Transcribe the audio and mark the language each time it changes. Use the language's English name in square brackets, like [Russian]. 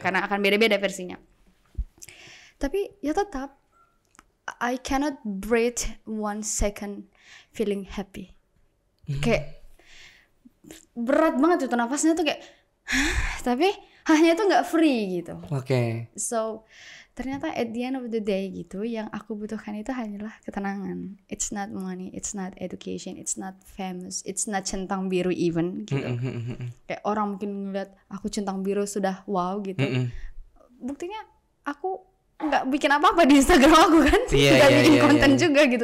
[Indonesian] Karena akan beda-beda versinya. Tapi ya tetap [English] I cannot breathe one second feeling happy. [Indonesian] Kayak berat banget itu nafasnya tuh kayak tapi hanya itu nggak free gitu. Oke. [English] Okay. [Indonesian] So ternyata [English] at the end of the day [Indonesian] gitu, yang aku butuhkan itu hanyalah ketenangan. [English] It's not money, it's not education, it's not famous, it's not [Indonesian] centang biru [English] even gitu. [Indonesian] Kayak orang mungkin ngeliat aku centang biru sudah wow gitu. Buktinya aku nggak bikin apa-apa di Instagram aku kan, nggak bikin konten juga gitu.